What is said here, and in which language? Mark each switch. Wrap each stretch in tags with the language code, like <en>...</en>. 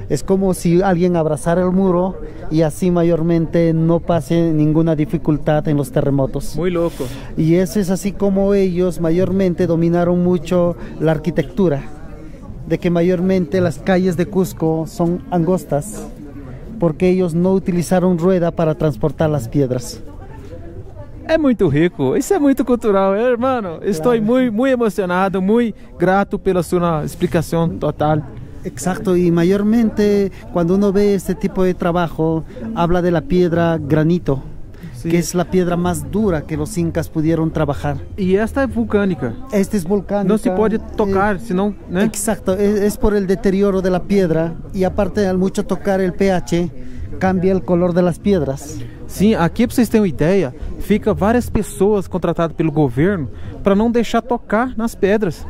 <es>Es como si alguien abrazara el muro y así mayormente no pase ninguna dificultad en los terremotos. Muy loco. Y eso es así como ellos mayormente dominaron mucho la arquitectura, de que mayormente las calles de Cusco son angostas, porque ellos no utilizaron rueda para transportar las piedras.</es> <pt>É muito rico, isso é muito cultural, hermano. Estou claro. muito emocionado, muito grato pela sua explicação total. Exato, e maiormente, quando uno vê este tipo de trabalho,</pt> <es>habla de la piedra granito, Sí. Que es la piedra más dura que los incas pudieron trabajar. Y esta es volcánica. Esta es volcánica. No se puede tocar, sino, ¿no? Exacto, es por el deterioro de la piedra y aparte al mucho tocar el pH cambia el color de las piedras. Sí, aquí para ustedes tener una idea, fica varias personas contratadas por el gobierno para no dejar tocar las piedras.</es>